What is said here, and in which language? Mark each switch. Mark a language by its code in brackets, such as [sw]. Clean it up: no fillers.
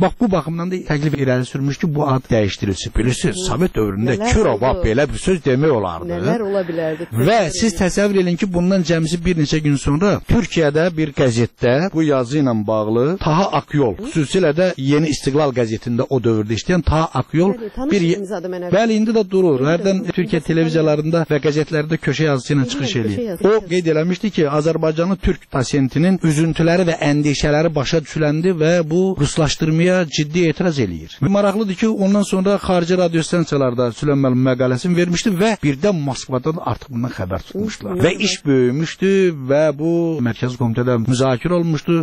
[az] Bax bu baxımdan da təklif irəli sürmüş ki, bu ad dəyişdirilsin. Bilirsiniz, Sovet dövründə Kirova belə bir söz demək olardı. Nələr ola bilərdi. Və siz təsəvvür edin ki, bundan cəmisi bir neçə gün sonra Türkiyədə bir qəzetdə bu yazı ilə bağlı Taha Akyol, xüsusilə də Yeni İstiqlal qəzetində o dövrdə işləyən Taha Akyol bir bəli indi də durur. [tr] Nereden Türkiye televizyalarında ve gazetelerde köşe yazısıyla çıkış ediyor. [az] O qeyd eləmişdi ki, Azərbaycanı Türk pasiyentinin üzüntüləri və endişələri başa düşüləndi və bu ruslaşdırmaya ciddi etiraz eləyir. Maraqlıdır ki, ondan sonra xarici radio stansiyalarda Süleyman müəllim məqaləsini vermişdi və birdən Moskvadan artıq bundan xəbər tutmuşlar. Və iş böyümüşdü və bu Mərkəz Komitədə müzakirə olmuşdu.